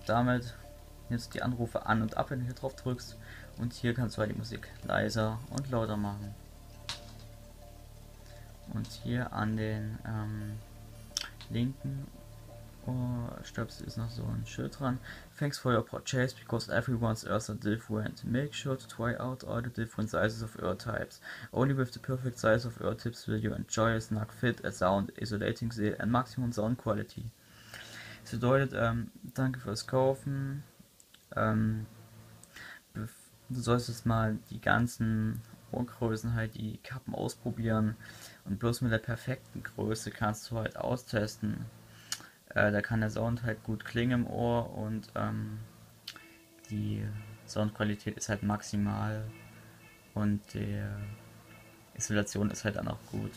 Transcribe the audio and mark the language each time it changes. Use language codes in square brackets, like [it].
[de] Damit nimmst du die Anrufe an und ab, wenn du hier drauf drückst. Und hier kannst du halt die Musik leiser und lauter machen. Und hier an den linken Stöpsel ist noch so ein Schild dran. [en] Thanks for your purchase, because everyone's earth are different. Make sure to try out all the different sizes of ear types. Only with the perfect size of ear tips will you enjoy a snug fit, a sound isolating seal and maximum sound quality. [de] Das bedeutet, danke fürs Kaufen. Du sollst jetzt mal die ganzen Ohrgrößen, halt die Kappen ausprobieren. Und bloß mit der perfekten Größe kannst du halt austesten. Da kann der Sound halt gut klingen im Ohr und die Soundqualität ist halt maximal und die Isolation ist halt dann auch gut.